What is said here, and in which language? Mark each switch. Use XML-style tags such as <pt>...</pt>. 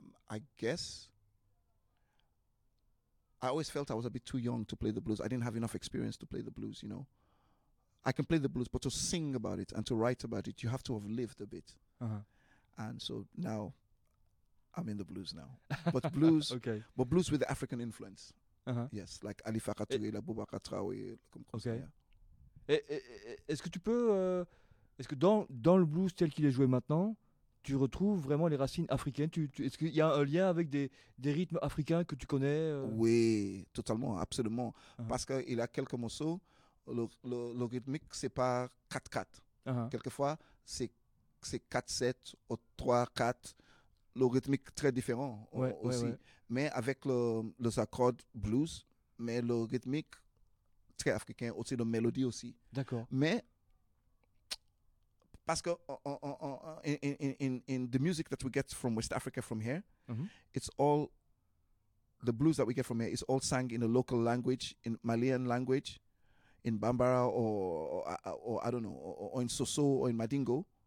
<en>I guess I always felt I was a bit too young to play the blues. I didn't have enough experience to play the blues, you know. I can play the blues, but to sing about it and to write about it, you have to have lived a bit. And so now I'm in the blues now. But blues, okay. But blues with the African influence. Yes, like Ali Faka Touré, Boubacar Traoré,</en> <fr>comme ça. Est-ce que tu peux est-ce que dans le blues tel qu'il est joué maintenant, tu retrouves vraiment les racines africaines? Est-ce qu'il y a un lien avec des rythmes africains que tu connais Oui, totalement, absolument. Parce qu'il y a quelques morceaux, le rythmique, c'est pas 4-4. Quelquefois, c'est 4-7 ou 3-4. Le rythmique très différent aussi. Mais avec le accord blues, mais le rythmique très africain, aussi de mélodie aussi. D'accord. Mais... Parce que</fr> <en>in the music that we get from West Africa from here, it's all the blues that we get from here is all sang in a local language, in Malian language, in Bambara or I don't know, or in Soso or in Madingo.</en>